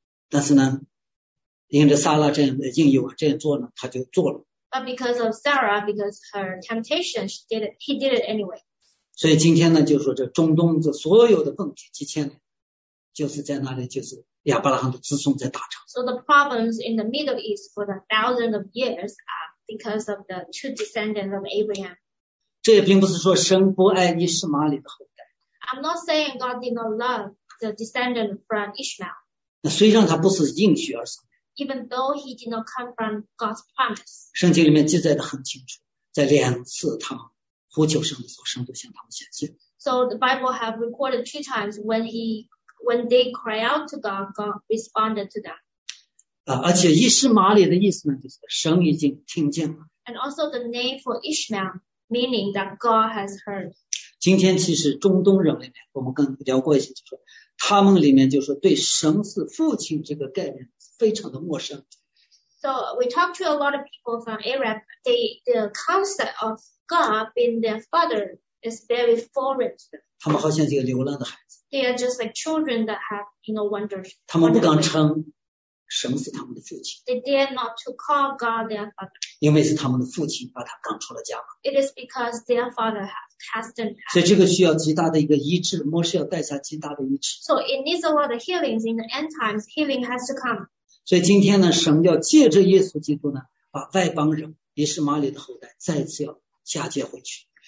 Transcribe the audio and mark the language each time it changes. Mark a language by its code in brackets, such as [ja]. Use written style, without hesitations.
[zh] 但是呢，因着撒拉这样的应允这样做呢，他就做了。 [en] But because of Sarah, because her temptation, he did it anyway. [zh] 所以今天呢，就是说这中东这所有的问题几千年，就是在那里，就是亚伯拉罕的子孙在打仗。 [en] So the problems in the Middle East for the thousands of years are because of the two descendants of Abraham. [zh] 这也并不是说神不爱以实玛利的后代。 [en] I'm not saying God did not love the descendant from Ishmael. [zh] 那虽然他不是应许而生。 [en] Even though he did not come from God's promise. [zh] 圣经里面记载的很清楚，在两次他呼求神的时候，神都向他们显现。 [en] So the Bible have recorded two times when they cry out to God, God responded to them. [zh] 而且以实玛利的意思呢，就是神已经听见了。 [en] And also the name for Ishmael, meaning that God has heard. [zh] 今天其实中东人里面，我们跟聊过一些，就是他们里面就是对神是父亲这个概念非常的陌生。 [en] So we talked to a lot of people from Arab. The concept of God being their father is very foreign to them. [zh] 他们好像是一个流浪的孩子。 [en] They are just like children that have, you know, wandered. [zh] 他们不敢称神是他们的父亲。 [en] They dare not to call God their father. [zh] 因为是他们的父亲把他赶出了家门。 [en] It is because their father has cast them out. [zh] 所以这个需要极大的一个医治，摩西要带下极大的医治。 [en] So it needs a lot of healings in the end times. Healing has to come. [zh] 所以今天呢，神要借着耶稣基督呢，把外邦人以实玛利的后代再次要嫁接回去。